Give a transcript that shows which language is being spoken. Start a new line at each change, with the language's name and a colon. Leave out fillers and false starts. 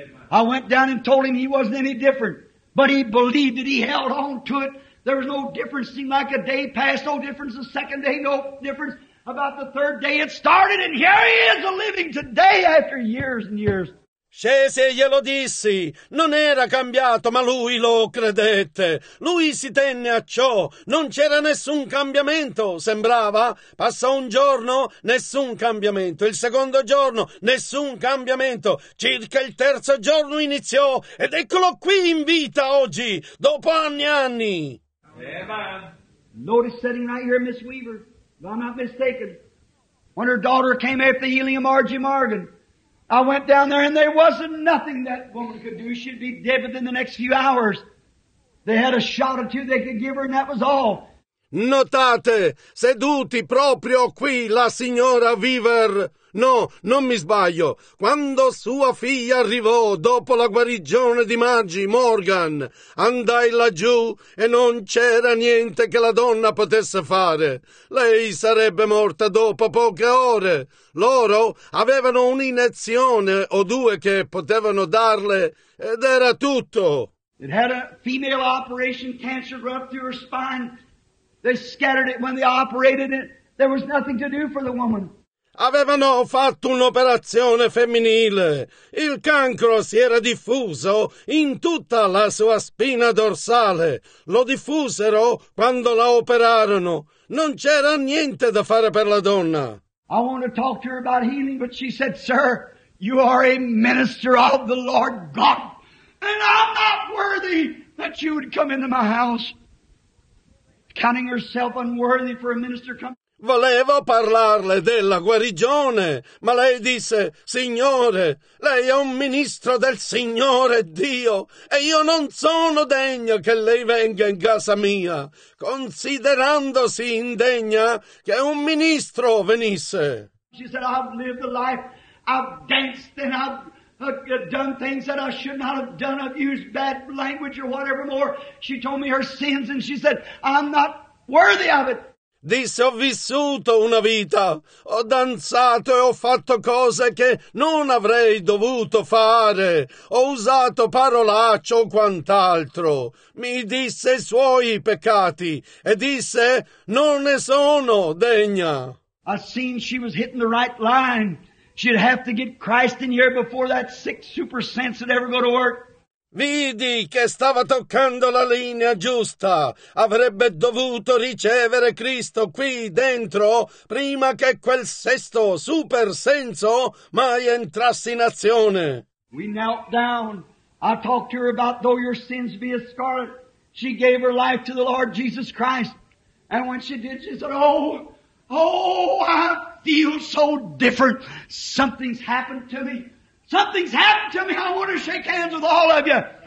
English: I went down and told him he wasn't any different, but he believed that he held on to it. There was no difference, seemed like a day passed, no difference the second day, no difference about the third day. It started and here he is a living today after years and years.
Italian: Scesi e glielo dissi, non era cambiato, ma lui lo credette. Lui si tenne a ciò, non c'era nessun cambiamento, sembrava. Passò un giorno, nessun cambiamento. Il secondo giorno, nessun cambiamento. Circa il terzo giorno iniziò, ed eccolo qui in vita oggi, dopo anni e anni.
English: Notice sitting right here, Miss Weaver, if I'm not mistaken, when her daughter came after healing of Margie Morgan. I went down there and there wasn't nothing that woman could do. She'd be dead within the next few hours. They had a shot or two they could give her and that was all.
Italian: Notate, seduti proprio qui la signora Weaver. No, non mi sbaglio. Quando sua figlia arrivò dopo la guarigione di Margie Morgan, andai laggiù e non c'era niente che la donna potesse fare. Lei sarebbe morta dopo poche ore. Loro avevano un'iniezione o due che potevano darle ed era tutto.
English: It had a female operation, cancer run through her spine. They scattered it when they operated it. There was nothing to do for the woman.
Italian: Avevano fatto un'operazione femminile. Il cancro si era diffuso in tutta la sua spina dorsale. Lo diffusero quando la operarono. Non c'era niente da fare per la donna.
English: I want to talk to her about healing, but she said, sir, you are a minister of the Lord God, and I'm not worthy that you would come into my house. Counting herself unworthy for a minister to come.
Italian: Volevo parlarle della guarigione, ma lei disse, Signore, lei è un ministro del Signore Dio, e io non sono degno che lei venga in casa mia, considerandosi indegna che un ministro venisse.
English: She said, I've lived a life, I've danced and I've done things that I should not have done, I've used bad language or whatever more. She told me her sins and she said, I'm not worthy of it.
Italian: Disse, ho vissuto una vita, ho danzato e ho fatto cose che non avrei dovuto fare, ho usato parolaccio o quant'altro. Mi disse i suoi peccati e disse, non ne sono degna.
English: I seen she was hitting the right line. She'd have to get Christ in here before that sick super sense would ever go to work.
Italian: Vidi che stava toccando la linea giusta. Avrebbe dovuto ricevere Cristo qui dentro prima che quel sesto super senso mai entrasse in azione.
English: We knelt down. I talked to her about though your sins be as scarlet. She gave her life to the Lord Jesus Christ. And when she did, she said, oh, I feel so different. Something's happened to me. Something's happened to me. I want to shake hands with all of you.